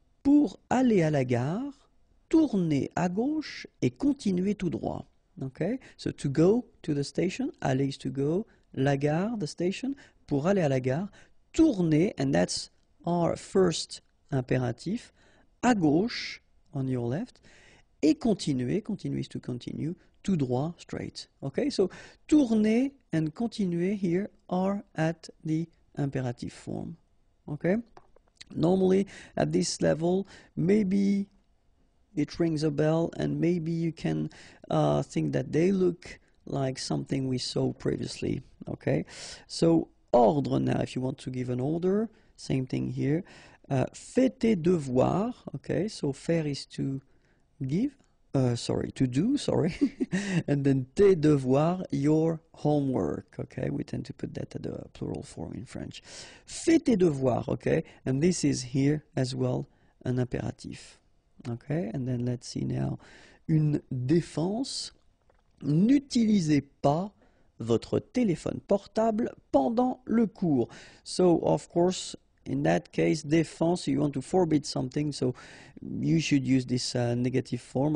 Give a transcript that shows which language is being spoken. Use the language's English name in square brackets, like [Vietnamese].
[French] Pour aller à la gare, tourner à gauche et continuer tout droit. [English] Okay, so to go to the station, aller is to go, [French] la gare, [English] the station. [French] Pour aller à la gare, tourner, [English] and that's our first impératif, [French] à gauche, [English] on your left, [French] et continuer, [English] continue is to continue, [French] tout droit, [English] straight. Okay, so tourner and continuer here are at the imperative form. Okay, normally at this level, maybe it rings a bell, and maybe you can think that they look like something we saw previously. Okay, so ordre now, if you want to give an order, same thing here. [French] Fais tes devoirs. [English] Okay, so faire is to give, sorry, to do, sorry. And then [French] tes devoirs, [English] your homework. Okay, we tend to put that at the plural form in French. [French] Fais tes devoirs. [English] Okay, and this is here as well an impératif. Okay, and then let's see now. [French] Une défense. N'utilisez pas votre téléphone portable pendant le cours. [English] So, of course, in that case, défense, you want to forbid something, so you should use this negative form.